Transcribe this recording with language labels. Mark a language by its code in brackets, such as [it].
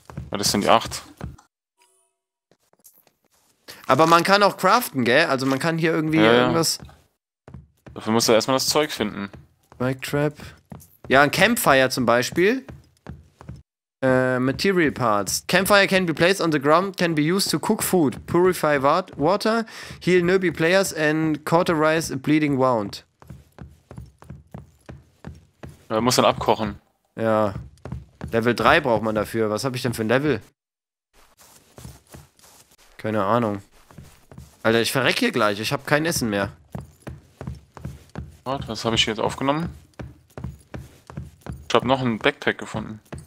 [de] Ja, das sind die 8. Aber man kann auch craften, gell? Also man kann hier irgendwie irgendwas. Dafür musst du erstmal das Zeug finden. [en] Mic Trap. [de] Ja, ein Campfire zum Beispiel. [en] Material Parts. Campfire can be placed on the ground, can be used to cook food, purify water, heal newbie players and cauterize a bleeding wound. [de] Man muss dann abkochen. Ja. Level 3 braucht man dafür. Was habe ich denn für ein Level? Keine Ahnung. Alter, ich verreck hier gleich. Ich habe kein Essen mehr. Was habe ich hier jetzt aufgenommen? Ich habe noch ein Backpack gefunden.